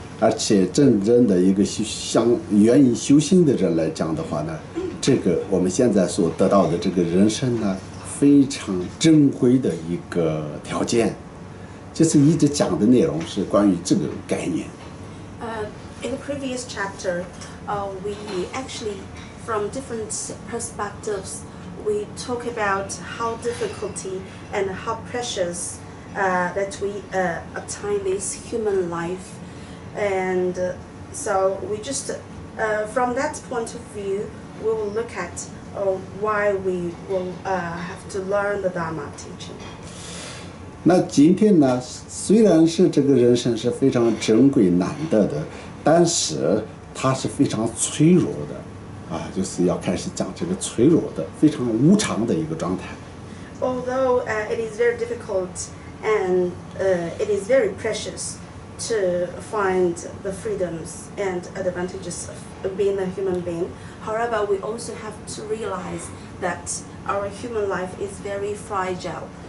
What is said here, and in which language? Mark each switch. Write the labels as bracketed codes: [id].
[zh] 而且真正的一个愿意修行的人来讲的话呢，这个我们现在所得到的这个人生呢非常珍贵的一个条件，就是一直讲的内容是关于这个概念。 [en] In the previous chapter, we actually from different perspectives, we talk about how difficulty and how precious that we obtain this human life. And so we just, from that point of view, we will look at why we will have to learn the Dharma teaching. [zh] 那今天呢，虽然是这个人生是非常珍贵难得的，但是它是非常脆弱的，啊，就是要开始讲这个脆弱的、非常无常的一个状态。 [en] Although it is very difficult and it is very precious. To find the freedoms and advantages of being a human being. However, we also have to realize that our human life is very fragile.